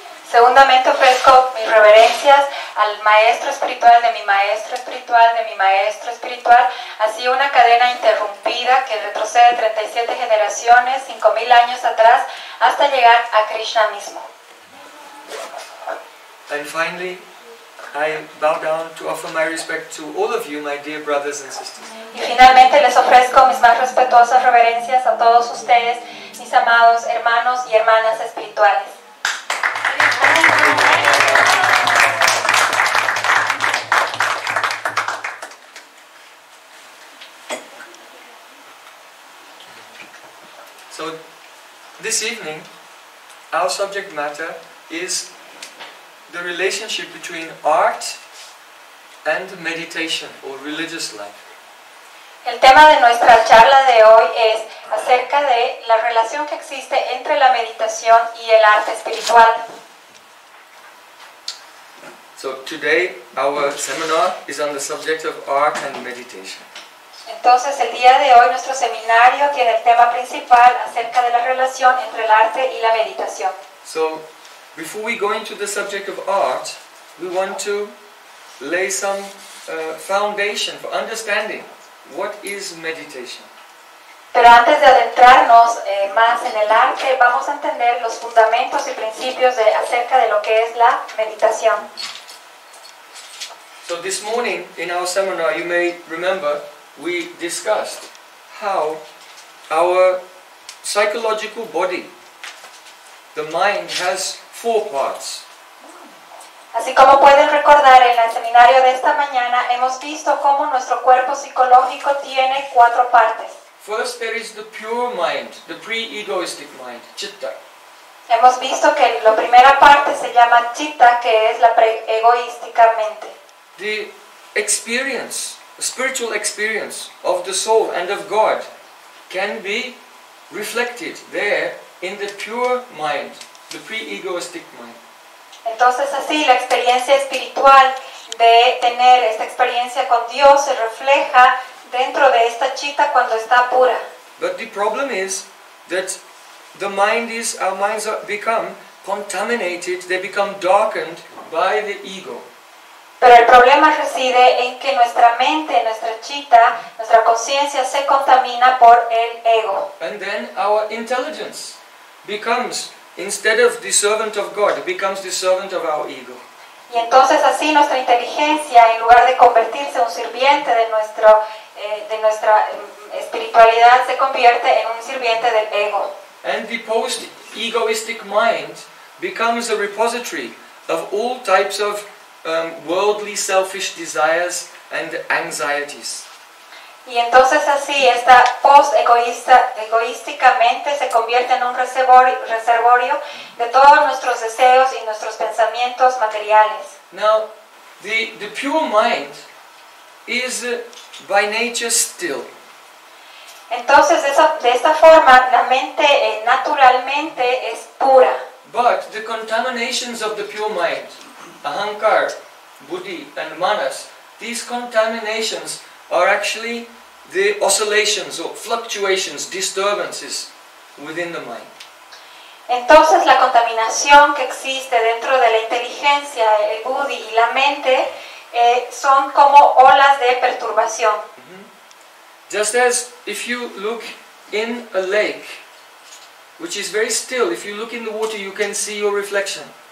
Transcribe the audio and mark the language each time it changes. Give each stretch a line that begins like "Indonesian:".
Spanish: Segundamente ofrezco mis reverencias al maestro espiritual de mi maestro espiritual de mi maestro espiritual, así una cadena interrumpida que retrocede 37 generaciones, 5,000 años atrás, hasta llegar a Krishna mismo.
English: And finally, I bow down to offer my respect to all of you, my dear brothers and sisters.
Spanish: Y finalmente les ofrezco mis más respetuosas reverencias a todos ustedes, mis amados hermanos y hermanas espirituales.
English: So, this evening, our subject matter is the relationship between art and meditation or religious life.
Spanish: El tema de nuestra charla de hoy es acerca de la relación que existe entre la meditación y el arte espiritual.
English: So today our seminar is on the subject of art and meditation.
Spanish: Entonces el día de hoy nuestro seminario tiene el tema principal acerca de la relación entre el arte y la meditación.
English: So before we go into the subject of art, we want to lay some foundation for understanding what is meditation.
Spanish: Pero antes de adentrarnos más en el arte, vamos a entender los fundamentos y principios de acerca de lo que es la meditación.
English: So this morning in our seminar, you may remember, we discussed how our psychological body, the mind, has four parts.
Spanish: Así como pueden recordar, en el seminario de esta mañana hemos visto cómo nuestro cuerpo psicológico tiene cuatro partes.
English: First, there is the pure mind, the pre-egoistic mind, chitta.
Spanish: Hemos visto que la primera parte se llama chitta, que es la pre-egoística mente.
English: The experience, the spiritual experience of the soul and of God can be reflected there in the pure mind, the pre-egoistic mind.
Spanish: Entonces así la experiencia espiritual de tener esta experiencia con Dios se refleja dentro de esta chitta cuando está pura.
English: But the problem is that the mind is, our minds become contaminated, they become darkened by the ego.
Spanish: Pero el problema reside en que nuestra mente, nuestra chitta, nuestra conciencia se contamina por el ego.
English: And then our intelligence becomes, instead of the servant of God, it becomes the servant of our ego.
Spanish: Y entonces así nuestra inteligencia, en lugar de convertirse en un sirviente de nuestro de nuestra espiritualidad, se convierte en un sirviente del ego.
English: And the post-egoistic mind becomes a repository of all types of worldly selfish desires and anxieties.
Spanish: Y entonces así esta post-egoística mente se convierte en un reservorio de todos nuestros deseos y nuestros pensamientos materiales.
English: Now, the pure mind is by nature still.
Spanish: Entonces, de esta forma, la mente naturalmente es pura.
English: But the contaminations of the pure mind, ahankar, buddhi, and manas, these contaminations are actually the oscillations or fluctuations, disturbances within the mind.
Spanish: Entonces, la contaminación que existe dentro de la inteligencia, el buddhi y la mente, son como olas de perturbación.
English: Just as if you look in a lake, which is very still, if you look in the water, you can see your reflection.